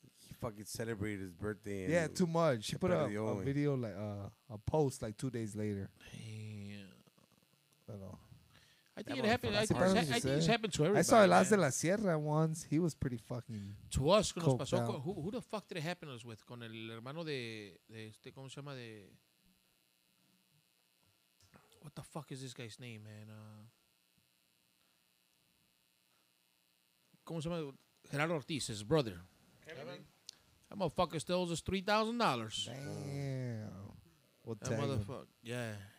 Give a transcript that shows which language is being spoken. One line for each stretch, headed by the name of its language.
English: He fucking celebrated his birthday. Yeah, too much. He put up a video, like a post, like 2 days later. Damn. I don't know. I think it happened. I think it happened to everybody. I saw Elas de la Sierra once. He was pretty fucking... To us,
Spanish: nos pasó,
English: who the fuck did it happen us with?
Spanish: Con el hermano de este, ¿cómo se llama? De...
English: What the fuck is this guy's name, man?
Spanish: ¿Cómo se llama? Gerardo Ortiz,
English: his brother. Kevin. That motherfucker still owes us $3,000. Damn. That motherfucker, yeah.